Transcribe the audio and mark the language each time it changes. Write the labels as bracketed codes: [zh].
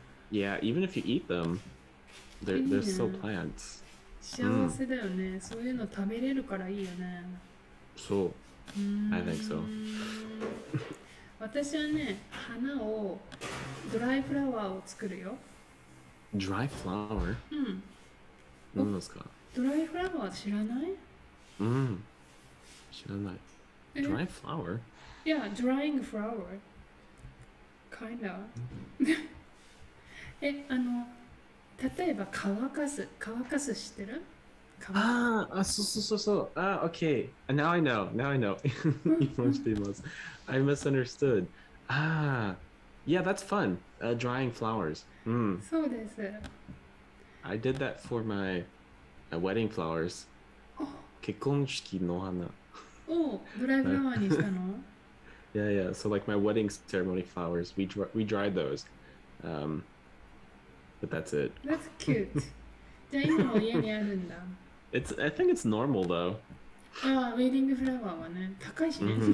[en] Yeah, even if you eat them, they're still plants. [ja] 幸せだよね。そういうの食べれるからいいよね。 [en] そう。I think so. [ja] 私はね、花をドライフラワーを作るよ。ドライフラワー？何ですか？ドライフラワー知らない？知らない。ドライフラワ [en] ー？ Yeah, drying flower. Kind of. [ja] え、あの、例えば乾かす知ってる？ [en] ああ、そう。ああ、OK。Now I know. [ja] 今知っています。 [en] I misunderstood. ああ、Yeah, that's fun. Drying flowers. [ja] そうです。 [en] I did that for my... A wedding flowers. [ja] 結婚式の花。お、ドライフラワーにしたの？ [en] Yeah. So like my wedding ceremony flowers, we dried those. But that's it. That's cute. [ja] じゃあ今も家にあるんだ。 [en] I think it's normal though. [ja] ああ、ウェディングフラワーはね、高いしね。